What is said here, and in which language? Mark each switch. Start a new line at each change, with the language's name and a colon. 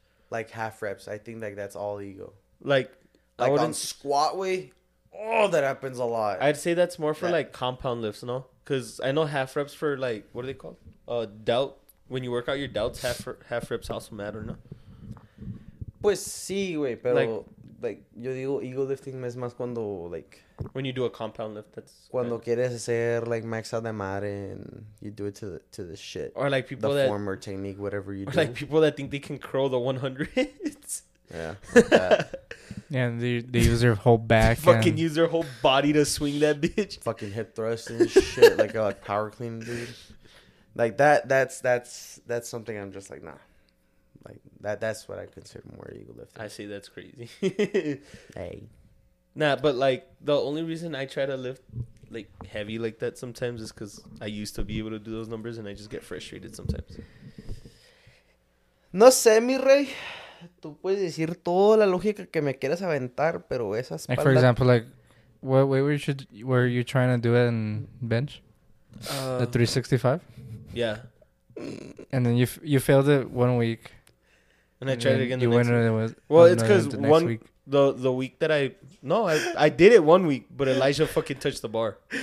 English: Like half reps. I think like that's all ego. Like on squat weight? Oh, that happens a lot. I'd say that's more for like compound lifts, no? Because I know half reps for like, what are they called? Delt. When you work out your delts, half reps also matter, no?
Spanish: Pues sí, güey, pero...
English: Like,
Spanish: yo digo, ego lifting es más cuando, like...
English: When you do a compound lift, that's...
Spanish: Cuando
English: right.
Spanish: quieres hacer,
English: like, max out
Spanish: de madre
English: and you do it to the shit. Or, like, people the that... The form or technique, whatever you do. Like, people that think they can curl the 100s. Yeah. Like that. Yeah, and they use their whole back fucking use their whole body to swing that bitch. Fucking hip thrust and shit. like power clean, dude. Like, that's something I'm just like, nah. Like, that's what I consider more ego lifting. I see, that's crazy. Hey. Nah, but, like, the only reason I try to lift, like, heavy like that sometimes is because I used to be able to do those numbers and I just get frustrated sometimes.
Spanish: No sé, mi rey. Tú puedes decir toda la lógica que me quieras aventar, pero esa espalda...
English: Like, for example, like, what weight were you trying to do it in bench? The 365? Yeah. And then you failed it 1 week. And I tried it again the next week. Well, it's because one week. The week that I... No, I did it 1 week, but Elijah fucking touched the bar.